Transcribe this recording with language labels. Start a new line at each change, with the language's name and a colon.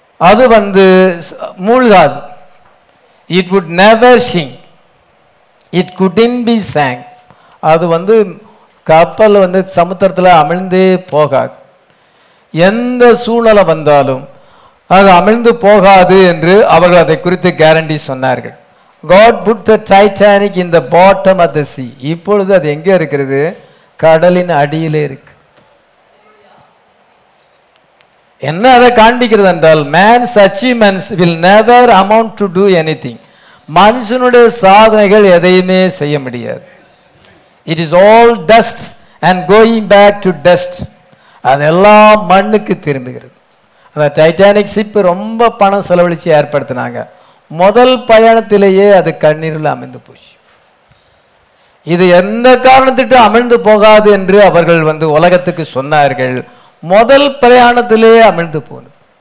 Tamil: அது வந்து மூழ்காது.
English: It would never sink. It couldn't be sank.
Tamil: அது வந்து கப்பல் வந்து சமுத்திரத்தில் அமிழ்ந்தே போகாது. எந்த சூழ்நிலை வந்தாலும் அது அமிழ்ந்து போகாது என்று அவர்கள் அதை குறித்து கேரண்டி சொன்னார்கள்.
English: God put the Titanic in the bottom of the sea.
Tamil: இப்பொழுது அது எங்கே இருக்கிறது? கடலின் அடியிலே இருக்கு. என்ன அதை காண்பிக்கிறது என்றால்
English: man's achievements will never amount to do anything.
Tamil: மனுஷனுடைய சாதனைகள் எதையுமே செய்ய முடியாது.
English: It is all dust and going back to dust.
Tamil: அதெல்லாம் மண்ணுக்கு திரும்புகிறது. அந்த டைட்டானிக் ஷிப் ரொம்ப பணம் செலவழித்து ஏற்படுத்தினாங்க. முதல் பயணத்திலேயே அது கண்ணீரில் அமைந்து போச்சு. இது எந்த காரணத்திட்டு அமிழ்ந்து போகாது என்று அவர்கள் வந்து உலகத்துக்கு சொன்னார்கள். முதல் பிரயாணத்திலேயே அமிழ்ந்து போனது.